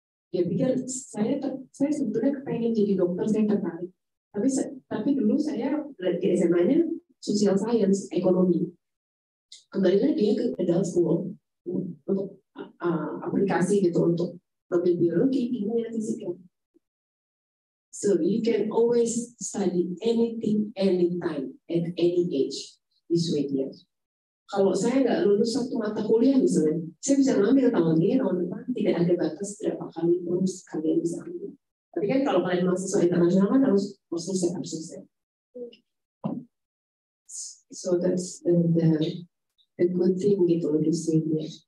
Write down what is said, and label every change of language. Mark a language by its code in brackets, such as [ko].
[id] Dia pikir saya sebetulnya kepengen jadi dokter, saya tertarik. Tapi dulu saya belajar SMA-nya [en] social science, [id] ekonomi. Kembalinya dia ke [en] adult school [id] untuk aplikasi gitu untuk ambil biologi, kimia, fisika. [en] So you can always study anything, anytime, at any age. [id] Di Swedia. Kalau saya nggak lulus satu mata kuliah misalnya, saya bisa ngambil tahun ini, tahun depan, tidak ada batas berapa kali pun kalian bisa ambil. Tapi kan kalau kalian mahasiswa internasional kan harus selesai, harus selesai. [en] So that's the good thing [id] gitu di Swedia.